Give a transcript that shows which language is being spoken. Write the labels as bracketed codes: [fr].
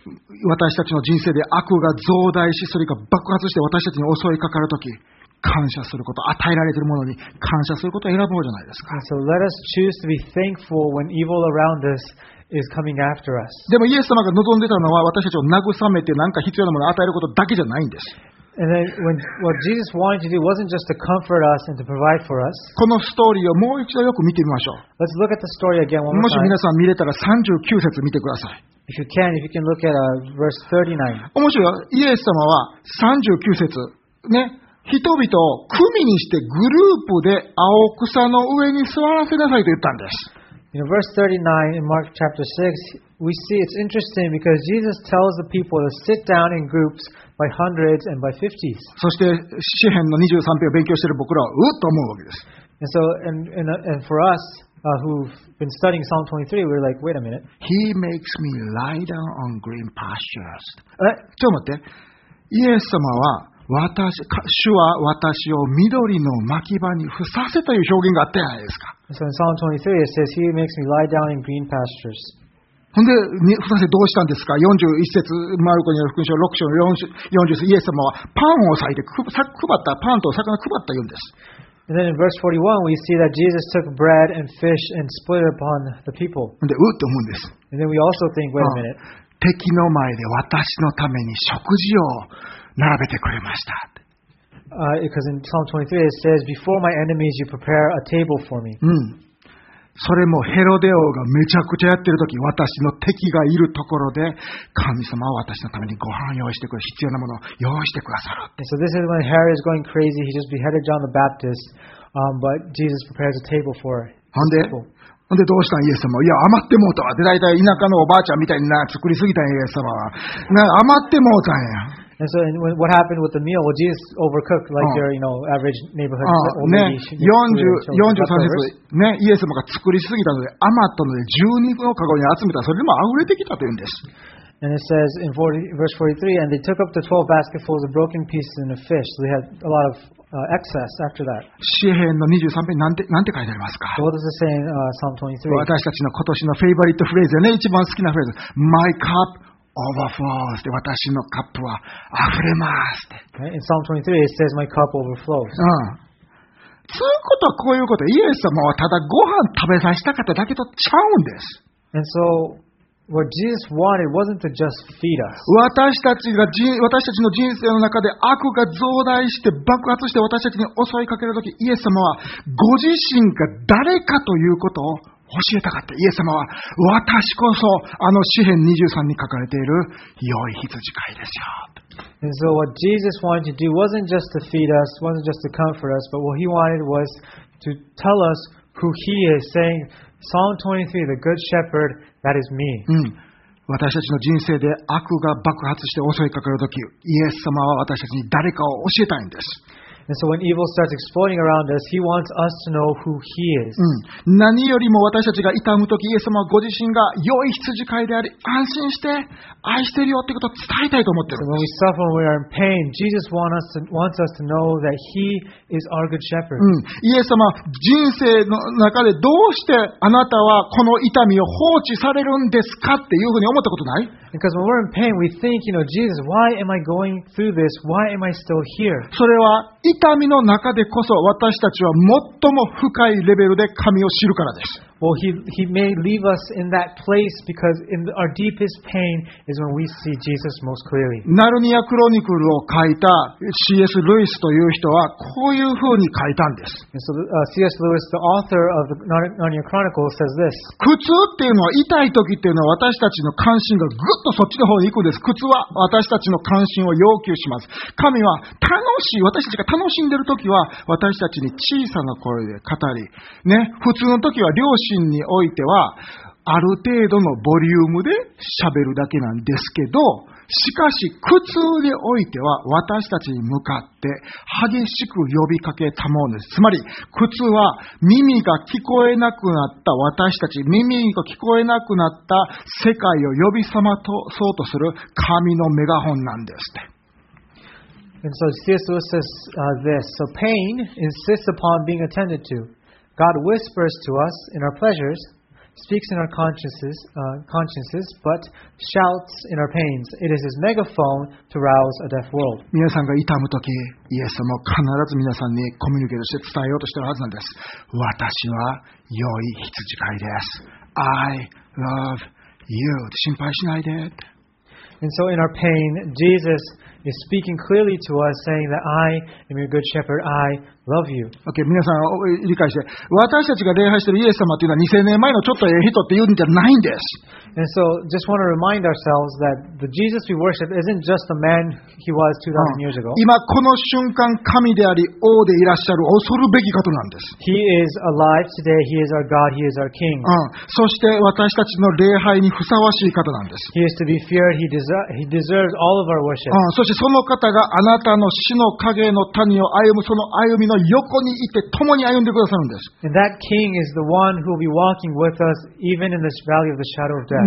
[ja] 私たちの人生で悪が増大し、それが爆発して私たちに襲いかかるとき、感謝すること、与えられているものに感謝することを選ぼうじゃないですか。 [en] So let us choose to be thankful when evil around us is coming after us. [ja] でもイエス様が望んでたのは、私たちを慰めて何か必要なものを与えることだけじゃないんです。 [en] And then when, what Jesus wanted to do wasn't just to comfort us and to provide for us. [ja] このストーリーをもう一度よく見てみましょう。 [en] Let's look at the story again one more time. [ja] もし皆さん見れたら39節見てください。 [en] If you can, if you can look at verse 39. [ja] 面白い。イエス様は39節、ね、人々を組にしてグループで青草の上に座らせなさいと言ったんです。 [en] In verse 39 in Mark chapter 6, we see it's interesting because Jesus tells the people to sit down in groups by hundreds and by fifties. [ja] そして詩編の23編を勉強している僕らはうっと思うわけです。 [en] And so, and for us, who've been studying Psalm 23, we're like, wait a minute. He makes me lie down on green pastures. [ja] ちょっと待って。イエス様は私、主は私を緑の牧場に伏させたという表現があったじゃないですか。 [en] So in Psalm 23 it says, He makes me lie down in green pastures. [ja] ほんで、伏させどうしたんですか ?41 節、マルコによる福音書6章40節、イエス様はパンを裂いて配った、パンと魚を配った言うんです。 [en] And then in verse 41 we see that Jesus took bread and fish and split it upon the people. [ja] ほんで、うって思うんです。 [en] And then we also think, wait a minute. [ja] 敵の前で私のために食事を並べてくれました。 [en] Because in Psalm 23 it says, "Before my enemies, you prepare a table for me." [ja] うん。それもヘロデ王がめちゃくちゃやってる時、私の敵がいるところで、神様は私のためにご飯を用意してくれ、必要なものを用意してくださる。 [en] And so this is when Herod is going crazy. He just beheaded John the Baptist, but Jesus prepares a table for him. [ja] なんで？ほんでどうしたんイエス様、いや余ってもうたわ。で大体田舎のおばあちゃんみたいにな作りすぎたんイエス様は。な余ってもうたんや。 [en] And so, and what happened with the meal? Well, Jesus overcooked like your, you know, average neighborhood old lady. [ja] 43節、ね、イエス様が作りすぎたので余ったので12のカゴに集めた。それでも溢れてきたというんです。 [en] And it says in verse 43, and they took up the 12 basketfuls of broken pieces and the fish. So they had a lot of excess after that. [ja] 詩編の23編なんて書いてありますか。 [en] What does it say in Psalm 23? [ja] 私たちの今年のフェイバリットフレーズね、一番好きなフレーズ。 [en] My cup. Overflows. [ja] 私のカップは溢れます。 [en] Okay. In Psalm 23, it says, "My cup overflows." [ja] そういうことはこういうこと。イエス様はただご飯食べさせたかっただけとちゃうんです。 [en] And so, what Jesus wanted wasn't to just feed us. [ja] 私たちの人生の中で悪が増大して爆発して私たちに襲いかけるとき、イエス様はご自身が誰かということを教えたかった。イエス様は私こそあの詩編23に書かれている良い羊飼いですよ。 [en] And so what Jesus wanted to do wasn't just to feed us, wasn't just to comfort us, but what he wanted was to tell us who he is, saying Psalm 23, the good shepherd, that is me. [ja] 私たちの人生で悪が爆発して襲いかかるとき、イエス様は私たちに誰かを教えたいんです。 [en] And so when evil starts exploding around us, he wants us to know who he is. [ja] 何よりも私たちが痛むとき、イエス様はご自身が良い羊飼いであり、安心して愛してるよってことを伝えたいと思ってるんです。 [en] So when we suffer, when we are in pain, Jesus wants us to know that he is our good shepherd. [ja] イエス様は人生の中でどうしてあなたはこの痛みを放置されるんですかっていうふうに思ったことない？ [en] Because when we're in pain, we think, you know, Jesus, why am I going through this? Why am I still here? [ja] それは痛みの中でこそ私たちは最も深いレベルで神を知るからです。 [en] Well, he may leave us in that place because in our deepest pain is when we see Jesus most clearly. [ja] ナルニアクロニクルを書いた C.S. ルイスという人はこういうふうに書いたんです。 [en] And so, C.S. Lewis, the author of the Narnia Chronicles, says this. [ja] 苦痛っていうのは痛い時っていうのは私たちの関心がぐっとそっちの方に行くんです。苦痛は私たちの関心を要求します。神は楽しい、私たちが楽しんでる時は私たちに小さな声で語り、ね、普通の時は両親自身においてはある程度のボリュームで喋るだけなんですけど、しかし苦痛においては私たちに向かって激しく呼びかけたものです。つまり苦痛は耳が聞こえなくなった私たち、耳が聞こえなくなった世界を呼び覚まそうとする神のメガホンなんですって。 [en] And so C.S. Lewis says this. So pain insists upon being attended to.God whispers to us in our pleasures, speaks in our consciences, but shouts in our pains. It is his megaphone to rouse a deaf world. [ja] 皆さんが痛む時、イエスも必ず皆さんにコミュニケーションして伝えようとしているはずなんです。私は良い羊飼いです。 [en] I love you. [ja] 心配しないで。 [en] And so in our pain, Jesus is speaking clearly to us, saying that I am your good shepherd, I love you. [ja] Okay, 皆さん理解して、私たちが礼拝しているイエス様というのは2000年前のちょっとええ人って言うんじゃないんです。 [en] And so, just want to remind ourselves that the Jesus we worship isn't just the man he was 2000 years ago. [ja] 今この瞬間、神であり王でいらっしゃる恐るべき方なんです。 [en] He is alive today, he is our God, he is our King. [ja] そして私たちの礼拝にふさわしい方なんです。 [en] He is to be feared, he deserves all of our worship. [ja] そしてその方があなたの死の影の谷を歩むその歩みの横にいて共に歩んでくださるんです。 [en] And that King is the one who will be walking with us even in this valley of the shadow of death.